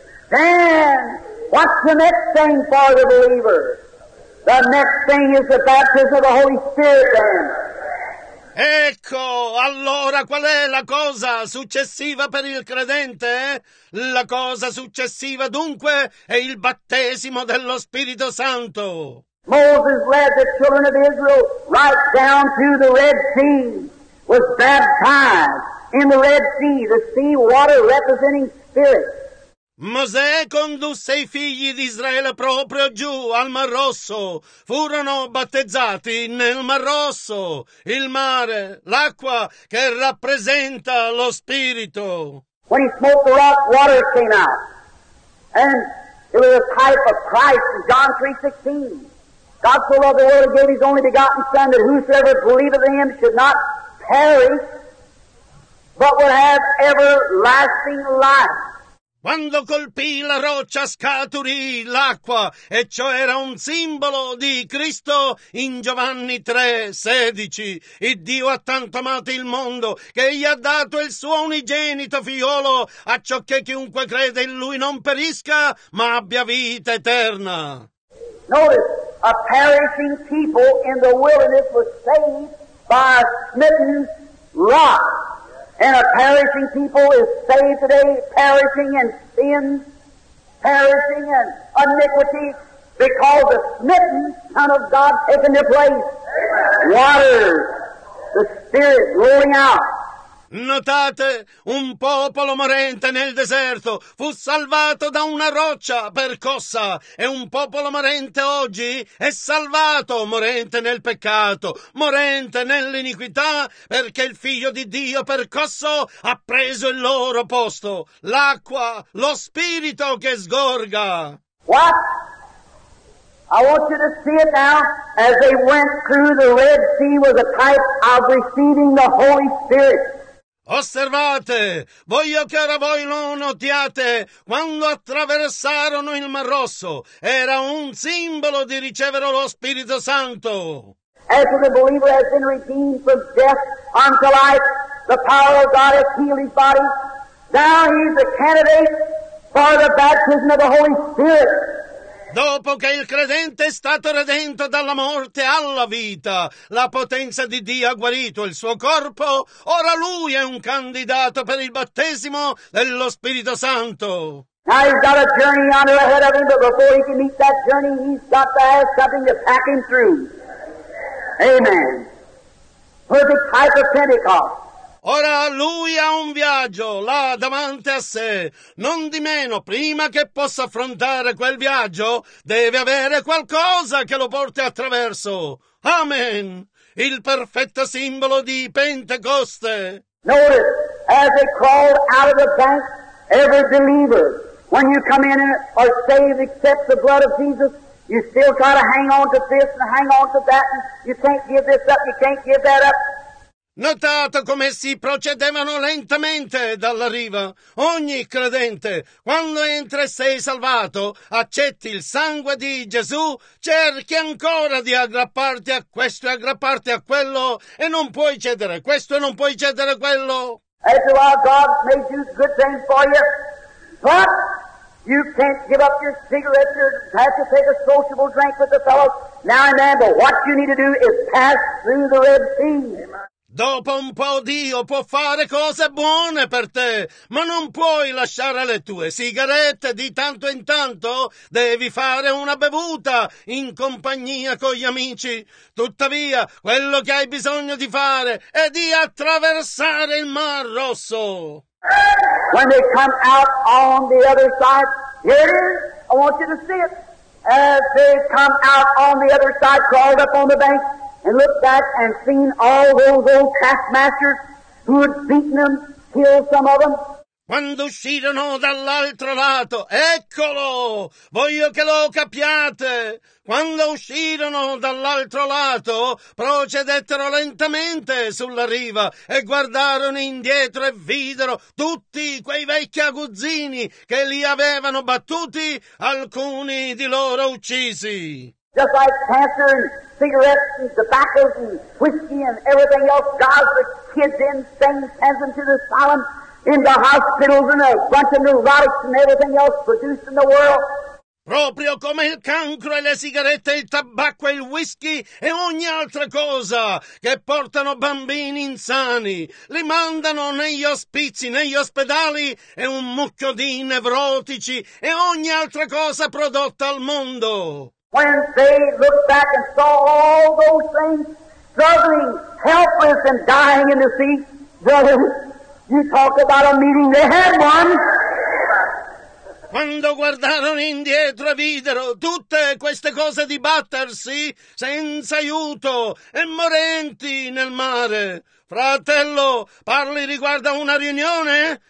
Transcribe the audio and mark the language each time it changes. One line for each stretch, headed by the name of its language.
English: Then, what's the next thing for the believer? The next thing is the baptism of the Holy Spirit, then.
Italian: Ecco, allora qual è la cosa successiva per il credente? La cosa successiva dunque è il battesimo dello Spirito Santo.
English: Moses led the children of Israel right down to the Red Sea, was baptized in the Red Sea, the sea water representing spirit.
Italian: Mosè condusse i figli di Israele proprio giù al Mar Rosso. Furono battezzati nel Mar Rosso, il mare, l'acqua che rappresenta lo Spirito.
English: When he smote the rock, water came out. And it was a type of Christ in John 3:16. God so loved the world, he gave his only begotten Son, that whosoever believeth in him should not perish, but would have everlasting life.
Italian: Quando colpì la roccia scaturì l'acqua, e ciò era un simbolo di Cristo in Giovanni 3:16. E Dio ha tanto amato il mondo che gli ha dato il suo unigenito figliolo, a ciò che chiunque crede in lui non perisca, ma abbia vita eterna.
English: Notice, a perishing people in the wilderness was saved by a smitten rock. And a perishing people is saved today, perishing in sin, perishing in iniquity, because the smitten Son of God taken their place. Water, the Spirit rolling out.
Italian: Notate, un popolo morente nel deserto fu salvato da una roccia percossa, e un popolo morente oggi è salvato, morente nel peccato, morente nell'iniquità, perché il Figlio di Dio percosso ha preso il loro posto, l'acqua, lo Spirito che sgorga.
English: What? I want you to see it now, as they went through the Red Sea was a type of receiving the Holy Spirit.
Italian: Osservate, voglio che ora voi lo notiate, quando attraversarono il Mar Rosso, era un simbolo di ricevere lo Spirito Santo.
English: As the believer has been redeemed from death unto life, the power of God has healed his body, now he is a candidate for the baptism of the Holy Spirit.
Italian: Dopo che il credente è stato redento dalla morte alla vita, la potenza di Dio ha guarito il suo corpo, ora lui è un candidato per il battesimo dello Spirito Santo.
English: Now he's got a journey on ahead of him, but before he can meet that journey, he's got to have something to pack him through. Amen. Perfect type of Pentecost.
Italian: Ora lui ha un viaggio là davanti a sé. Non di meno, prima che possa affrontare quel viaggio, deve avere qualcosa che lo porti attraverso. Amen. Il perfetto simbolo di Pentecoste.
English: Notice, as they crawled out of the bank, every believer, when you come in and are saved, accept the blood of Jesus, you still got to hang on to this and hang on to that. And you can't give this up, you can't give that up.
Italian: Notate come si procedevano lentamente dalla riva. Ogni credente, quando entra e sei salvato, accetti il sangue di Gesù, cerchi ancora di aggrapparti a questo e aggrapparti a quello, e non puoi cedere questo e non puoi cedere quello.
English: As you are, God may use good things for you, but you can't give up your cigarettes, you have to take a sociable drink with the fellows. Now and then, but what you need to do is pass through the Red Sea.
Italian: Dopo un po' Dio può fare cose buone per te, ma non puoi lasciare le tue sigarette di tanto in tanto. Devi fare una bevuta in compagnia con gli amici. Tuttavia, quello che hai bisogno di fare è di attraversare il Mar Rosso.
English: When they come out on the other side, here it is, I want you to see it. As they come out on the other side, crawled up on the bank, and looked back and seen all those old taskmasters who had beaten them, killed some of them.
Italian: Quando uscirono dall'altro lato, eccolo! Voglio che lo capiate! Quando uscirono dall'altro lato, procedettero lentamente sulla riva e guardarono indietro e videro tutti quei vecchi aguzzini che li avevano battuti, alcuni di loro uccisi.
English: Just like cancer and cigarettes and tobacco and whiskey and everything else, God's the kids in things, sends them to the asylum, in the hospitals, and a bunch of neurotics and everything else produced in the world.
Italian: Proprio come il cancro e le sigarette, il tabacco e il whisky e ogni altra cosa che portano bambini insani, li mandano negli ospizi, negli ospedali e un mucchio di nevrotici e ogni altra cosa prodotta al mondo.
English: When they looked back and saw all those things struggling, helpless and dying in the sea, brothers, you talk about a meeting, they had one.
Italian: Quando guardarono indietro e videro tutte queste cose dibattersi senza aiuto e morenti nel mare. Fratello, parli riguardo a una riunione?